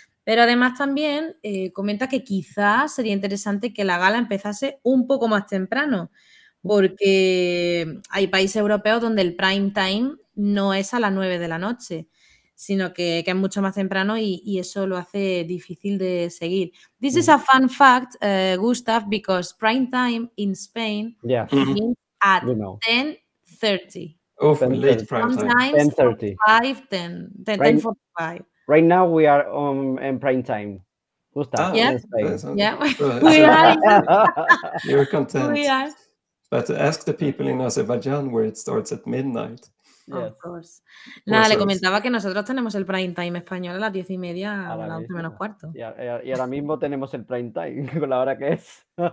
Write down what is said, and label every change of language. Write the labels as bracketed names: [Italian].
[Spanish] Pero además también comenta que quizás sería interesante que la gala empezase un poco más temprano, porque hay países europeos donde el prime time no es a las 9 de la noche, sino que es mucho más temprano y eso lo hace difícil de seguir. [English] This is a fun fact, Gustav, because prime time in Spain is at 10:30. Oof, late prime time. Sometimes 10:45. Right now we are in prime time. Gustav, you're content. We are. But ask the people in Azerbaijan where it starts at midnight. Of course. [Spanish] Nada, le comentaba que nosotros tenemos el prime time español a las 10:30, a las 11:15. Y ahora mismo tenemos el prime time con la hora que es.